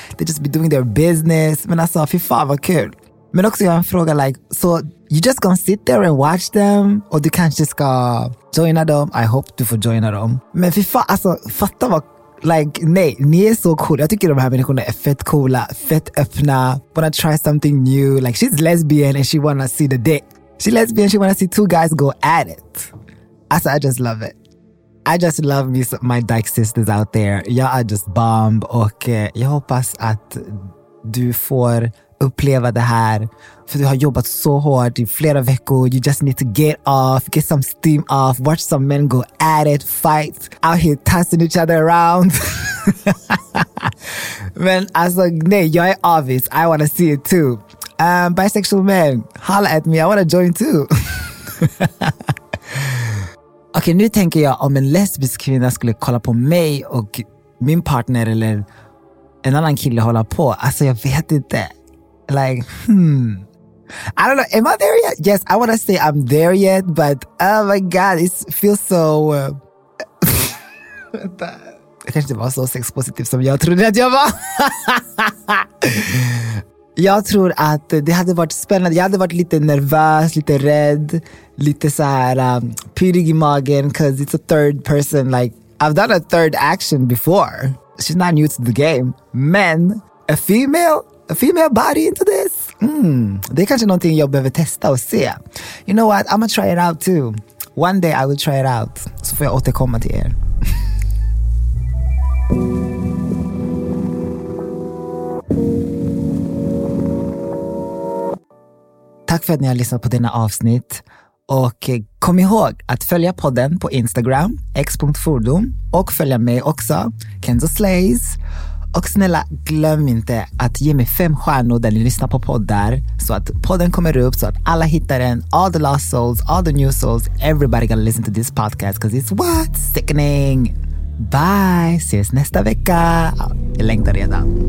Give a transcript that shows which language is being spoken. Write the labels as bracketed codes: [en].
[en] They just be doing their business. [sv] Men alltså fy fan vad kul. Men också jag har en fråga, [en] like, so you just gonna sit there and watch them? [sv] Och du kanske ska joina dem? [en] I hope [sv] du får joina dem. Men fy fan, alltså fatta vad, like, nej, ni är så cool. Jag tycker de här människorna är fett coola, fett öppna. [en] Wanna try something new. Like, she's lesbian and she wanna see the dick. She lesbian, she wanna see two guys go at it. Alltså, I just love it. I just love me, my dyke sisters out there. [sv] Jag är just bomb. Och jag hoppas att du får uppleva det här. För du har jobbat så hårt i flera veckor. [en] You just need to get off, get some steam off, watch some men go at it, fight out here tossing each other around. [sv] Men alltså nej, jag är obvious. [en] I wanna see it too. Bisexual men, holla at me, I wanna join too. [sv] Okej, nu tänker jag, om en lesbisk kvinna skulle kolla på mig och min partner eller en annan kille hålla på, alltså jag vet inte. [en] Like, I don't know, am I there yet? Yes, I want to say I'm there yet, but oh my god, it feels so I [sv] kanske inte var så sex positiv som jag trodde att jag var. Jag tror att det hade varit spännande. Jag hade varit lite nervös, lite rädd, lite så här pyrig i magen, [en] because it's a third person. Like, I've done a third action before. She's not new to the game. Men a female, a female body into this? [sv] Det är kanske någonting jag behöver testa och se. [en] You know what? I'm gonna try it out too. One day I will try it out. [sv] Så får jag återkomma till er. Tack för att ni har lyssnat på denna avsnitt. Och kom ihåg att följa podden på Instagram, x.fordom. Och följa mig också, Kenzo Slays. Och snälla, glöm inte att ge mig 5 stjärnor där ni lyssnar på poddar, så att podden kommer upp, så att alla hittar den. [en] All the lost souls, all the new souls, everybody gotta listen to this podcast, 'cause it's what? [sv] Sickening. Bye, ses nästa vecka. Jag längtar redan.